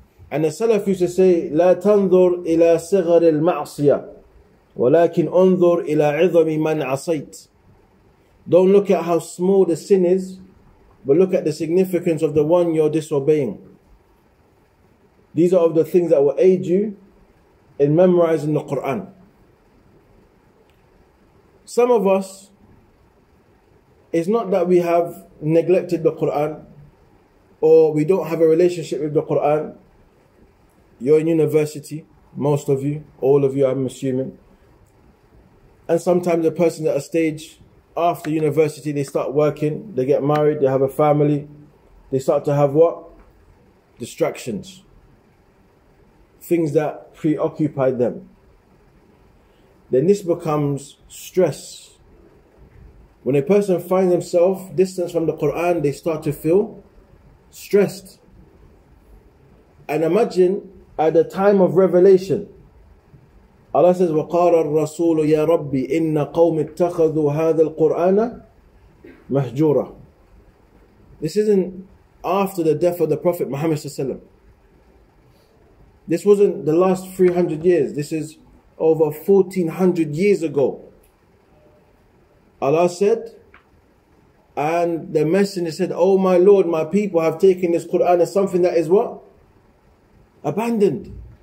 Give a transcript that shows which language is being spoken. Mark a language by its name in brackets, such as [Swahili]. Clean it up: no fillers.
[English] And the Salaf used to say, [Arabic] لا تنظر إلى صغر المعصية ولكن انظر إلى عظم من عصيت. [English] Don't look at how small the sin is, but look at the significance of the one you're disobeying. These are of the things that will aid you in memorizing the Quran. Some of us, it's not that we have neglected the Quran or we don't have a relationship with the Quran. You're in university, most of you, all of you, I'm assuming. And sometimes the person at a stage after university, they start working, they get married, they have a family, they start to have what? Distractions. Things that preoccupy them. Then this becomes stress. When a person finds himself distanced from the Quran, they start to feel stressed. And imagine at the time of revelation, Allah says, [Arabic] وَقَالَ الرَّسُولُ يَا رَبِّ إِنَّ قَوْمِ اتَّخَذُوا هَذَا الْقُرْآنَ مَهْجُورًا. [English] This isn't after the death of the Prophet Muhammad sallallahu alaihi wasallam. This wasn't the last 300 years. This is over 1400 years ago. Allah said, and the messenger said, oh my Lord, my people have taken this Quran as something that is what? Abandoned.